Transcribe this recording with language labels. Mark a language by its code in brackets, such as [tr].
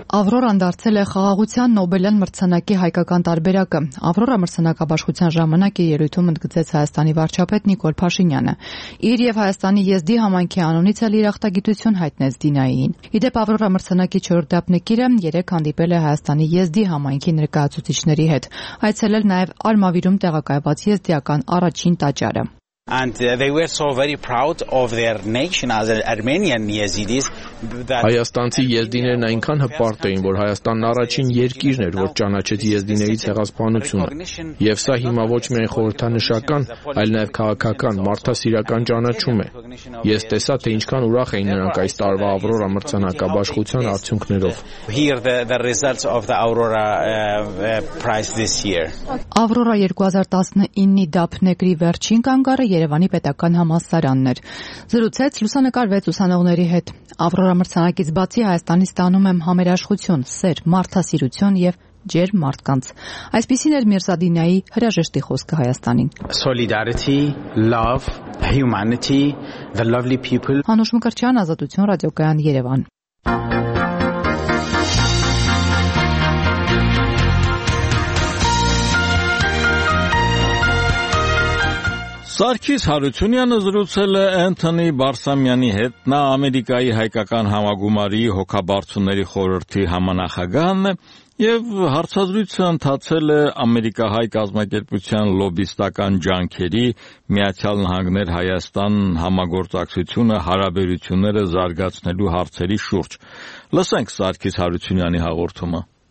[hy] Ավրորան դարձել է խաղաղության Նոբելյան մրցանակի հայկական տարբերակը։ Ավրորա մրցանակաբաշխության ժամանակ ելույթում ընդգծեց Հայաստանի վարչապետ Նիկոլ Փաշինյանը։ Իր և Հայաստանի Եզդի համայնքի անունից էլ իր ախտագիտություն հայտնեց Դինային։ Իդեպ Ավրորա մրցանակի 4-րդ դափնեկիրը 3 հանդիպել է Հայաստանի Եզդի համայնքի ներկայացուցիչների հետ, այցելել նաև Արմավիրում տեղակայված եզդիական առաջին տաճարը։ [en] And they were so very proud of their nation as Armenian Yazidis [hy] that Հայաստանցի Եզդիներն այնքան հպարտ էին, որ Հայաստանն առաջին երկիրն էր, որ ճանաչեց Եզդիների ցեղասպանությունը։ Եվ սա հիմա ոչ միայն խորհրդանշական, այլ նաև քաղաքական, մարդասիրական ճանաչում է։ Ես տեսա, թե ինչքան ուրախ էին նրանք այս տարվա Ավրորա մրցանակաբաշխության արդյունքներով։ [en] The results of the Aurora prize this year. [hy] Ավրորա 2019-ի դափնեկրի վերջին կանգառ Երևանի պետական համալսարանն էր։ Զրուցեց լուսանկարվեց ուսանողների հետ։ Ավրորա մրցանակից բացի Հայաստանի ստանում եմ համերաշխություն, սեր, մարդասիրություն և ջեր մարդկանց։ Այսպիսին էր Միրզադինյայի հրաժեշտի խոսքը Հայաստանին։ [en] Solidarity, love, humanity, the lovely people. [hy] Անուշ Մկրտչյան, Ազատություն ռադիոկայան, Երևան։ Սարգիս Հարությունյանը զրուցել է Էնթոնի Բարսամյանի հետ, նա Ամերիկայի հայկական համագումարի հոգաբարձությունների խորհրդի համանախագահն է և հարցազրույցը ընթացել է Ամերիկահայ կազմակերպության լոբիստական ջանքերի Միացյալ Նահանգներ Հայաստան համագործակցությունը հարաբերությունները զարգացնելու հարցերի շուրջ։ Լսենք Սարգիս Հարությունյանի հաղորդումը։